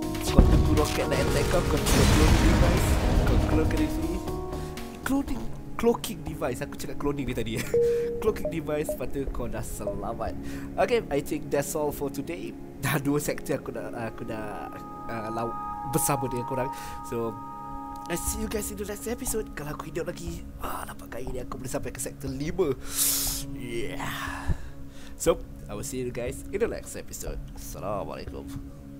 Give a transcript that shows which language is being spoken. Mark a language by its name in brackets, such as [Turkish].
[Malay] Kau tunggu roket nak attack kau, kau tunggu cloning device. Kau cloning device. Cloning, cloaking device, aku cakap cloning ni tadi. Cloaking device, lepas tu kau dah selamat. [English] Okay, I think that's all for today. [Malay] Dah dua sektor aku dah bersama dengan korang. [English] So, I see you guys in the next episode. [Malay] Kalau aku hidup lagi, nampak kali ni aku boleh sampai ke sektor 5. [English] Yeah. So, I will see you guys in the next episode. Assalamualaikum.